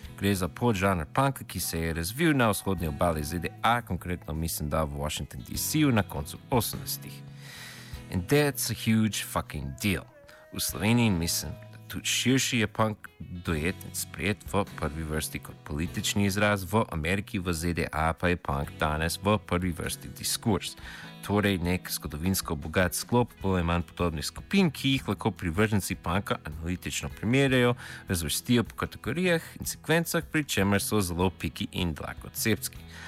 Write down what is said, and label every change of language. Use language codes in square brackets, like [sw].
[sl] Gre za podžanr punka, ki se je razvil na vzhodni obali ZDA, konkretno mislim da v Washington DC na koncu 80-ih. [en] And that's a huge fucking deal. [sl] V Sloveniji mislim, da tudi širši je punk dojet in sprejet v prvi vrsti kot politični izraz, v Ameriki v ZDA pa je punk danes v prvi vrsti diskurs. Torej nek zgodovinsko bogat sklop bolj manj podobnih skupin, ki jih lahko privrženci punka analitično primerjajo, razvrstijo po kategorijah in sekvencah, pri čemer so zelo piki in dlakoceptski.